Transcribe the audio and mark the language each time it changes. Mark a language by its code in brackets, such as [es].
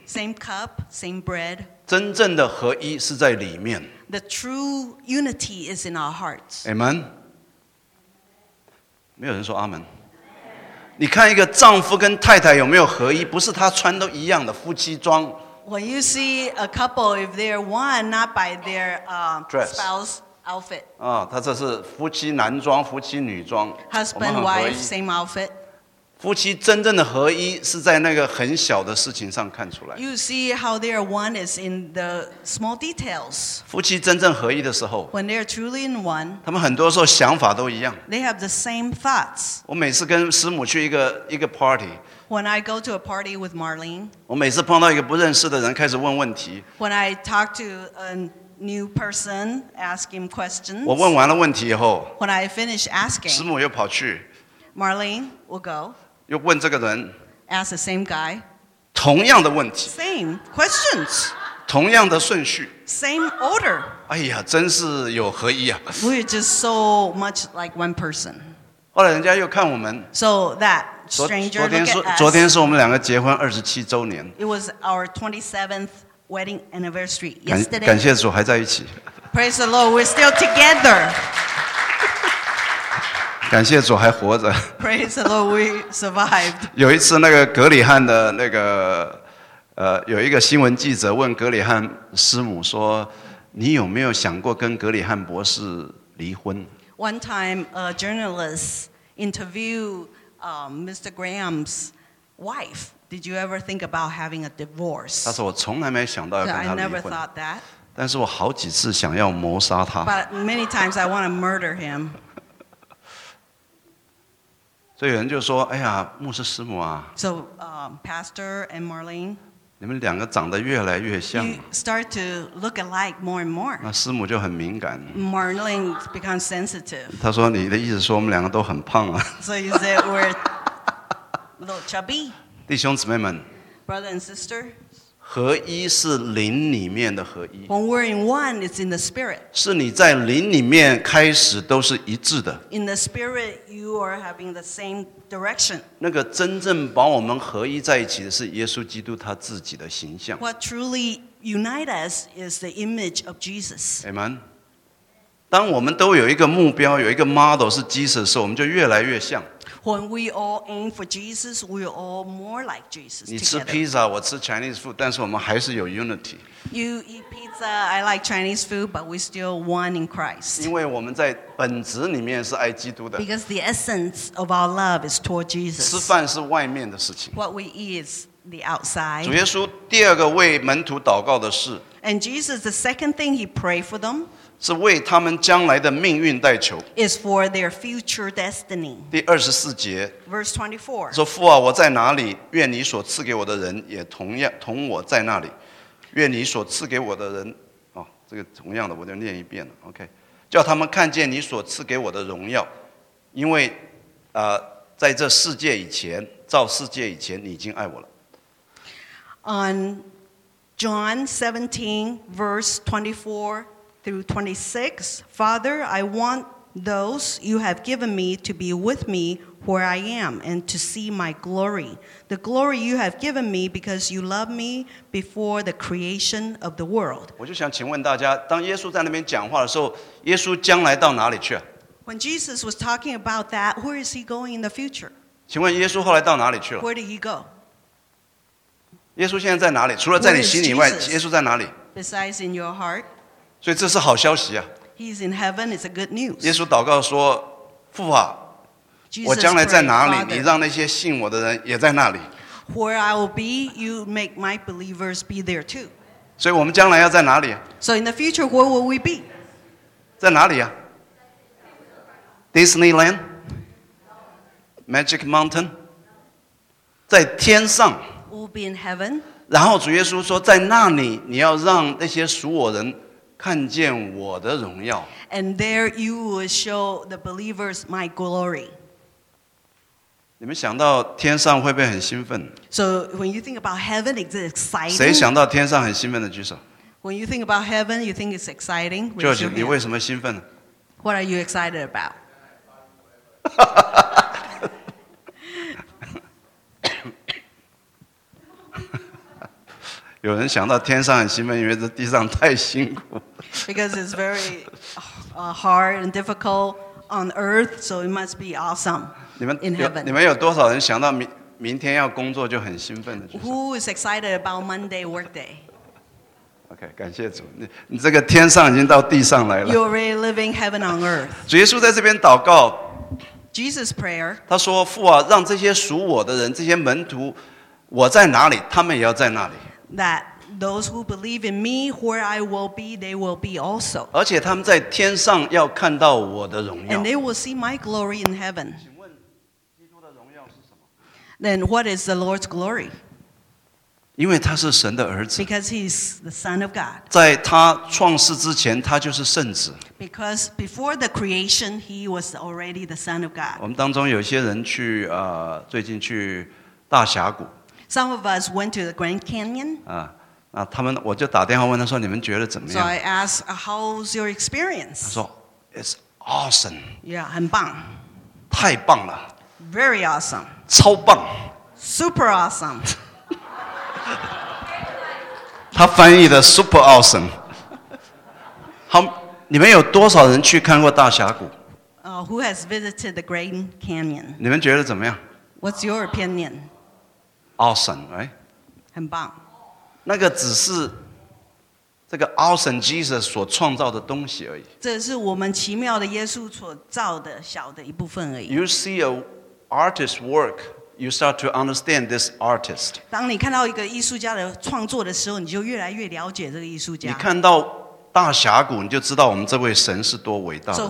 [en] Same cup, same bread. [zh] 真正的合一是在里面 [en] The true unity is in our hearts. Amen. [zh] 没有人说阿门。你看一个丈夫跟太太有没有合一？不是他穿都一样的夫妻装。 [en] When you see a couple, if they're one, not by their spouse outfit. [zh] 啊，他这是夫妻男装、夫妻女装。 [en] Husband, wife, same outfit. [zh] 夫妻真正的合一是在那个很小的事情上看出来。 [en] You see how they are one is in the small details. [zh] 夫妻真正合一的时候 [en] ，When they are truly in one， [zh] 他们很多时候想法都一样。 [en] They have the same thoughts. [zh] 我每次跟师母去一个 party， [en] When I go to a party with Marlene， [zh] 我每次碰到一个不认识的人开始问问题。 [en] When I talk to a new person, ask him questions， [zh] 我问完了问题以后 [en] ，When I finish asking， [zh] 师母又跑去 [en] ，Marlene will go。 [zh] 又问这个人 [en] ，ask the same guy， [zh] 同样的问题 [en] ，same questions， [zh] 同样的顺序 [en] ，same order。 [zh] 哎呀，真是有合一啊 [en] ！We're just so much like one person。 [zh] 后来人家又看我们 [en] ，so that stranger look at us。 [zh] 昨天是我们两个结婚二十七周年。 [en] It was our 27th wedding anniversary yesterday. [zh] 感谢主，还在一起。 [en] Praise the Lord, we're still together. [zh] 感谢主，还活着。 [en] Praise the Lord, we survived. [zh] 有一次，那个格里汉的那个有一个新闻记者问格里汉师母说：“你有没有想过跟格里汉博士离婚？” [en] One time, a journalist interviewed Mr. Graham's wife. Did you ever think about having a divorce? [zh] 他说：“我从来没想到要跟他离婚。” [en] I never thought that. [zh] 但是我好几次想要谋杀他。 [en] But many times I want to murder him. [zh] 所以有人就说：“哎呀，牧师师母啊。” [en] So, Pastor and Marlene. [zh] 你们两个长得越来越像。 [en] You start to look alike more and more. [zh] 那师母就很敏感。 [en] Marlene becomes sensitive. [zh] 她说：“你的意思说我们两个都很胖啊？” [en] So you say we're a little chubby. [zh] 弟兄姊妹们 [en] ，Brother and sister， [zh] 合一是灵里面的合一。 [en] When we're in one, it's in the spirit. [zh] 是你在灵里面开始都是一致的。 [en] In the spirit, you are having the same. Direction. [zh] 那个真正把我们合一在一起的是耶稣基督他自己的形象。 [en] What truly unites us is the image of Jesus. [zh] Amen. 当我们都有一个目标，有一个 model 是 Jesus 的时候，我们就越来越像。 [en] When we all aim for Jesus, we are all more like Jesus. [zh] 你吃 pizza， 我吃 [en] Chinese food， [zh] 但是我们还是有 unity. [en] You eat pizza, I like Chinese food, but we still one in Christ. [zh] 因为我们在本质里面是爱基督的。 [en] Because the essence of our love is toward Jesus. [zh] 吃饭是外面的事情。 [en] What we eat is the outside. [zh] 主耶稣第二个为门徒祷告的事。 [en] And Jesus, the second thing he prayed for them. [zh] 是为他们将来的命运代求。 [en] Is for their future destiny. [zh] 第二十四节。 [en] Verse 24. [zh] 说父啊，我在哪里，愿你所赐给我的人也同我在那里。愿你所赐给我的人，哦，这个同样的我就念一遍了。 OK， 叫他们看见你所赐给我的荣耀，因为在这世界以前，造世界以前，你已经爱我了。 [en] On John 17:24-26, Father, I want those you have given me to be with me where I am and to see my glory, the glory you have given me because you loved me before the creation of the world. [zh] 我就想请问大家，当耶稣在那边讲话的时候，耶稣将来到哪里去？ [en] When Jesus was talking about that, where is he going in the future? [zh] 请问耶稣后来到哪里去了？ [en] Where did he go? [zh] 耶稣现在在哪里？除了在你心里外，耶稣在哪里？ [en] Besides in your heart. [zh] 所以这是好消息啊。 [en] He's in heaven, it's a good news. [zh] 耶稣祷告说：“父啊， [en] Jesus、 [zh] 我将来在哪里？ [en] Father, [zh] 你让那些信我的人也在那里。” [en] Where I will be, you make my believers be there too. [zh] 所以我们将来要在哪里？ [en] So in the future, where will we be? [zh] 在哪里啊？Disneyland? Magic Mountain? 在天上。 [en] We'll be in heaven. [zh] 然后主耶稣说：“在那里，你要让那些属我人。” 看见我的荣耀。 [en] And there you will show the believers my glory. [zh] 你们想到天上会不会很兴奋？ [en] So when you think about heaven, is it exciting? [zh] 谁想到天上很兴奋的举手。 [en] When you think about heaven, you think it's exciting? [zh] George, 你为什么兴奋？ [en] What are you excited about? [zh] 有人想到天上很兴奋，因为这地上太辛苦。 [en] Because it's very hard and difficult on earth, so it must be awesome in heaven. [zh] 你们有多少人想到明天要工作就很兴奋的？ [en] Who is excited about Monday workday? [zh] Okay, 感谢主，你这个天上已经到地上来了。 [en] You're already living heaven on earth. [zh] 主耶稣在这边祷告。 [en] Jesus prayer. [zh] 他说：“父啊，让这些属我的人，这些门徒，我在哪里，他们也要在那里。” [en] That. Those who believe in me, where I will be, they will be also. [zh] 而且他们在天上要看到我的荣耀。 [en] And they will see my glory in heaven. [zh] 请问基督的荣耀是什么？ [en] Then what is the Lord's glory? [zh] 因为他是神的儿子。 [en] Because he's the Son of God. [zh] 在他创世之前，他就是圣子。 [en] Because before the creation, he was already the Son of God. [zh] 我们当中有些人去最近去大峡谷。 [en] Some of us went to the Grand Canyon. [zh] 啊，他们我就打电话问他说：“你们觉得怎么样？” [en] So I asked, "How's your experience?" [zh] 他说 [en] ：“It's awesome." [zh] Yeah, 很棒。太棒了。 [en] Very awesome. [zh] 超棒。 [en] Super awesome. [zh] 他翻译的 [en] super awesome。 [zh] 好，你们有多少人去看过大峡谷？ [en] Who has visited the Grand Canyon? [zh] 你们觉得怎么样？ [en] What's your opinion? Awesome, right? [zh] 很棒。那个只是这个 awesome Jesus 所创造的东西而已。这是我们奇妙的耶稣所造的小的一部分而已。 [en] You see an artist's work, you start to understand this artist. [zh] 当你看到一个艺术家的创作的时候，你就越来越了解这个艺术家。你看到大峡谷，你就知道我们这位神是多伟大的神。